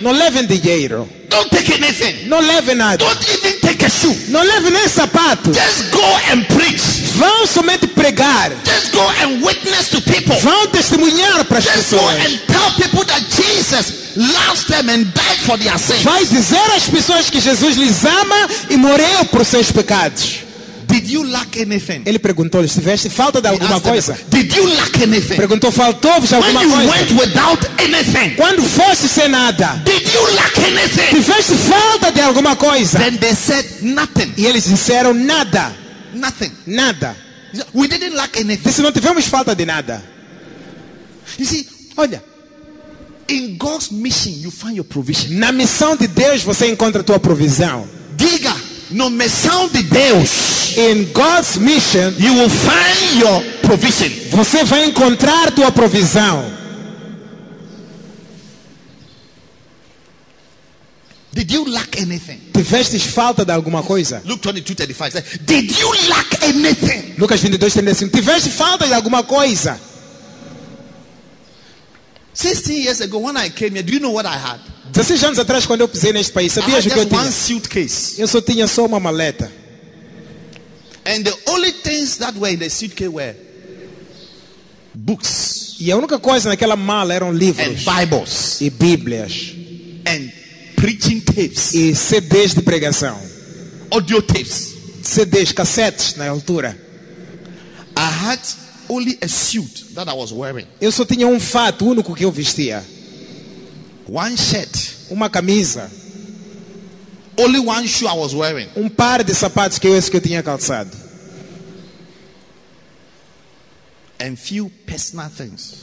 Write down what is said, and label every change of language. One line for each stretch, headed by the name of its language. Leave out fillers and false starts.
Portuguese: Não levem dinheiro.
English: Don't take anything.
Portuguese: Não levem nada.
English: Don't even take a shoe.
Portuguese: Não levem nem sapato.
English: Just go and preach.
Portuguese: Vão somente pregar.
English: Just go and witness to people.
Portuguese: Vão testemunhar para as pessoas.
English: Just go and tell people that Jesus loves them and died for their sins.
Portuguese: Vai dizer às pessoas que Jesus lhes ama e morreu por seus pecados.
English: Did you lack anything?
Portuguese: Ele perguntou, lhe tiveste falta de alguma coisa?
English: Did you lack anything?
Portuguese: Perguntou, faltou-vos alguma coisa?
English: When you went without anything?
Portuguese: Quando foste sem nada?
English: Did you lack anything?
Portuguese: Tiveste falta de alguma coisa?
English: Then they said nothing.
Portuguese: E eles disseram nada.
English: Nothing.
Portuguese: Nada.
English: We didn't lack anything.
Portuguese: Disse, não tivemos falta de nada.
English: You see,
Portuguese: olha.
English: In God's mission, you find your provision.
Portuguese: Na missão de Deus, você encontra a tua provisão. Diga. No missão de Deus,
English: in God's mission, you will find your provision.
Portuguese: Você vai encontrar tua provisão.
English: Did you lack anything?
Portuguese: Tiveste falta de alguma coisa?
English: Luke 22:35 says, "Did you lack anything?"
Portuguese: Lucas 22:35, tiveste falta de alguma coisa?
English: 16 years ago, when I came here, do you know what I had?
Portuguese: 16 anos atrás, quando eu pisei neste país, sabia o que eu tinha?
English: One suitcase.
Portuguese: Eu só tinha só uma maleta.
English: And the only things that were in the suitcase were books.
Portuguese: E a única coisa naquela mala eram livros.
English: And Bibles.
Portuguese: E Bíblias.
English: And preaching tapes.
Portuguese: E CDs de pregação.
English: Audio tapes.
Portuguese: CDs, cassetes na altura.
English: I had only a suit that I was wearing.
Portuguese: Eu só tinha um fato único que eu vestia.
English: One shirt,
Portuguese: uma camisa.
English: Only one shoe I was wearing.
Portuguese: Um par de sapatos que eu tinha calçado.
English: And few personal things.